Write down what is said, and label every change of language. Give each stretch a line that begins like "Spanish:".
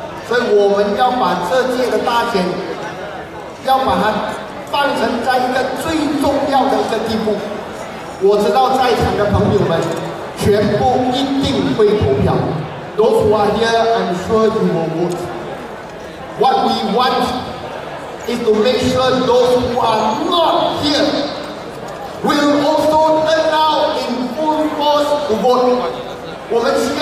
Malay: Jadi kita harus membuatkan duit ini. Kita harus membuatkan duit ini di satu tempat yang paling penting.
Chinese: 我知道在场的朋友们全部一定会投票
English: those who are here, I'm sure you will vote. What we want is to make sure those who are not here will also turn out in full force to vote.